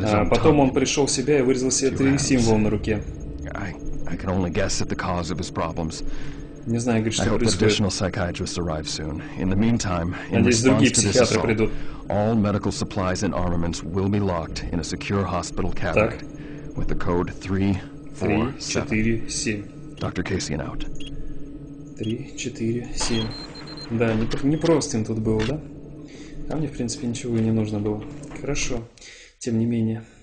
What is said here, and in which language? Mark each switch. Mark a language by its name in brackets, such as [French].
[Russian] Потом он пришел в себя и вырезал себе три символа на руке. [English] I can only guess at the cause of his problems. [Russian] Не знаю, говорит, что происходит. [English] Additional psychiatrists arrive soon. In the meantime, [Russian] надеюсь, другие психиатры придут. [English] All medical supplies and armaments will be locked in a secure hospital cabinet with the code 347. [Russian] Доктор Кейси [English] out. 347. [Russian] Да, не просто им тут было, да? А мне, в принципе, ничего и не нужно было. Хорошо. Тем не менее.